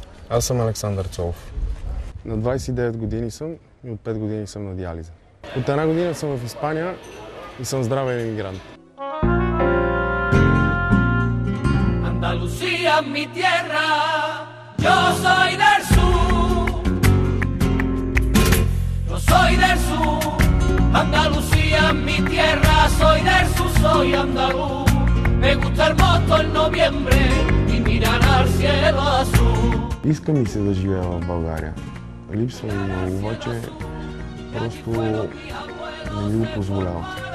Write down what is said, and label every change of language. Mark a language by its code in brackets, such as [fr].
[bg] Аз съм Александър Цолов. На 29 години съм и от 5 години съм на диализа. От една година съм в Испания и съм здравен емигрант. [es] Andalucía mi tierra, yo soy del sur. Yo soy del sur. Andalucía mi tierra, soy del sur, soy andaluz. Me gusta el moto en noviembre y mirar al cielo azul. [bg] Иска ми се да живея в България. Липсва ми много, обаче просто не ми го позволява.